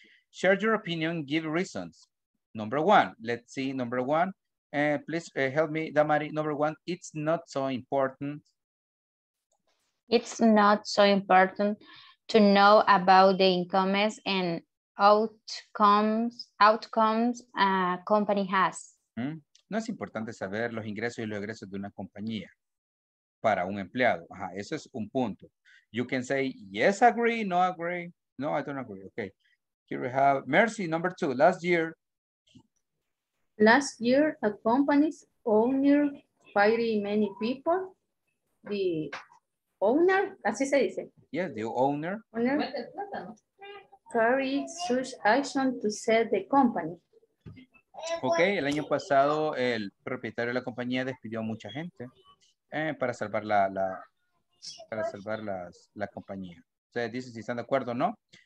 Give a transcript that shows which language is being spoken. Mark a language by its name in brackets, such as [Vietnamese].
[English] Share your opinion, give reasons. Number one, let's see, number one. Please help me, Damari. Number one, it's not so important. It's not so important to know about the incomes and outcomes a company has. [Spanish] No es importante saber los ingresos y los egresos de una compañía para un empleado. Ajá, eso es un punto. [English] You can say, yes, agree, no agree. No, I don't agree. Okay. Here we have Mercy, number two. Last year, a company's owner fired many people. The owner, [Spanish] así se dice. [English] Yes, the owner. Owner carried such action to save the company. [Spanish] Okay, el año pasado el propietario de la compañía despidió a mucha gente para salvar la compañía. Ustedes dicen si están de acuerdo o no.